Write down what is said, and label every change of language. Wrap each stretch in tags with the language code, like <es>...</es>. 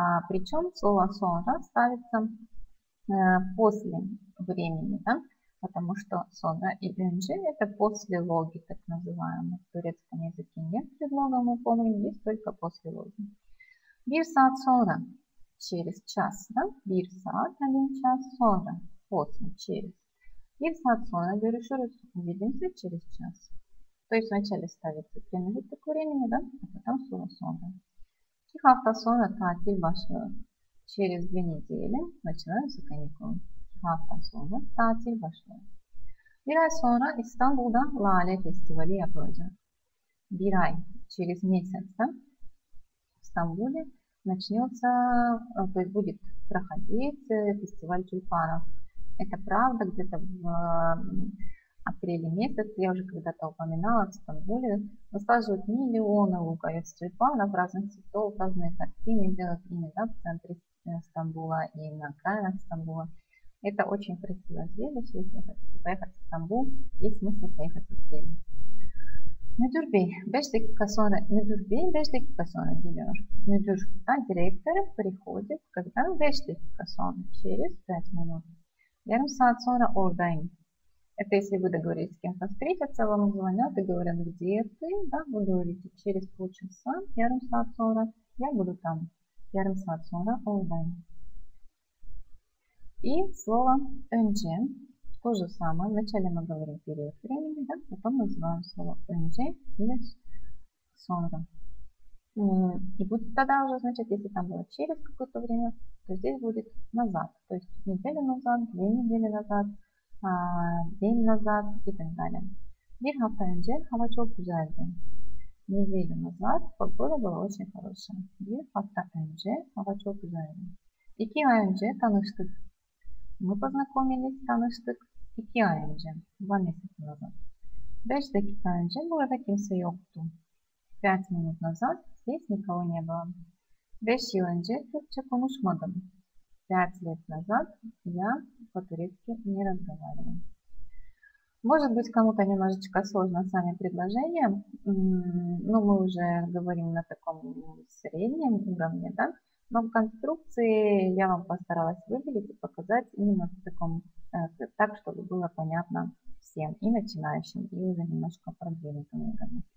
<ru>Причем слово sonra ставится после времени, да? Потому что sonra и ng – это после логи, так называемый. В турецком языке нет предлога, мы помним, есть только после логи.</ru> <tr>Bir saat sonra –</tr> <ru>через час. Да?</ru> <tr>Bir saat</tr> <ru>– один час. Sonra – после, через.</ru> <tr>Bir saat sonra –</tr> <ru>görüşürüz. Увидимся через час. То есть вначале ставится приналитик времени, да? А потом слово sonra.</ru> <tr>Hafta sonra tatil başlıyor.</tr> <ru>Через 2 недели начинаются каникулы.</ru> <tr>Hafta sonra tatil başlıyor. Bir ay sonra İstanbul'da Lale Festivali yapılacak. Bir ay,</tr> <ru>через месяц, в Стамбуле начнется, то есть будет проходить фестиваль тюльпанов. Это правда, где-то в апреле месяц, я уже когда-то упоминала, в Стамбуле высаживают миллионы луковиц тюльпанов разных цветов, разные картины делают ими, да, в центре Стамбула и на окраинах Стамбула. Это очень красиво зрелище, если хотите поехать в Стамбул, есть смысл поехать в апреле.</ru> <tr>Müdür Bey, 5 dakika sonra müdür bey 5 dakika sonra geliyor. Müdür da direktör</tr> <ru>приходит, когда</ru> <tr>5 dakika sonra,</tr> <ru>через 5 минут.</ru> <tr>Yarım saat sonra oradayım.</tr> <ru>Это если вы договорились с кем-то встретиться, вам звонят и говорят, где ты, да, вы говорите, через полчаса, yarım saat sonra, я буду там,</ru> <tr>yarım saat sonra oradayım.</tr> <ru>И слово önce, то же самое. Вначале мы говорим период времени, да? Потом называем слово «önce» или «sonra». И будет тогда уже, значит, если там было через какое-то время, то здесь будет «назад». То есть неделю назад, 2 недели назад, день назад и так далее.</ru> <tr>«Bir hafta önce hava çok güzeldi».</tr> <ru>Неделю назад погода была очень хорошая.</ru> <tr>«Bir hafta önce hava çok güzeldi». «İki ay önce tanıştık».</tr> <ru>Мы познакомились, tanıştık.</ru> <tr>2 ay önce,</tr> <ru>2 месяца назад.</ru> <tr>5 dakika önce burada kimse yoktu.</tr> <ru>5 минут назад здесь никого не было.</ru> <tr>5 yıl önce Türkçe konuşmadım.</tr> <ru>5 лет назад я по-турецки не разговаривала. Может быть, кому-то немножечко сложно сами предложения, но мы уже говорим на таком среднем уровне, да? Но в конструкции я вам постаралась выделить и показать именно в таком, так, чтобы было понятно всем, и начинающим, и уже немножко продвинутым уровнем.</ru>